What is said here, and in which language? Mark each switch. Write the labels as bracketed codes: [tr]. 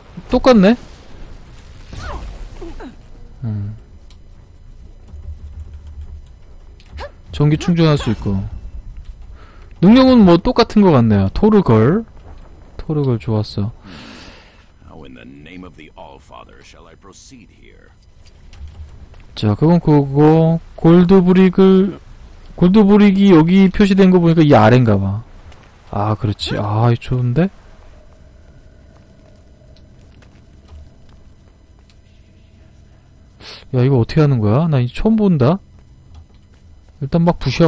[ko] 똑같네? 전기 충전할 수 있고. 능력은 뭐 똑같은 것 같네요. 토르걸. 토르걸 좋았어. [en] How in the name of the All-Father shall I proceed here? [ko] 자, 그건 그거고. 골드브릭을, 골드브릭이 여기 표시된 거 보니까 이 아래인가 봐. 아, 그렇지. 아, 좋은데? 야, 이거 어떻게 하는 거야? 나 이제 처음 본다. 일단 막 부셔.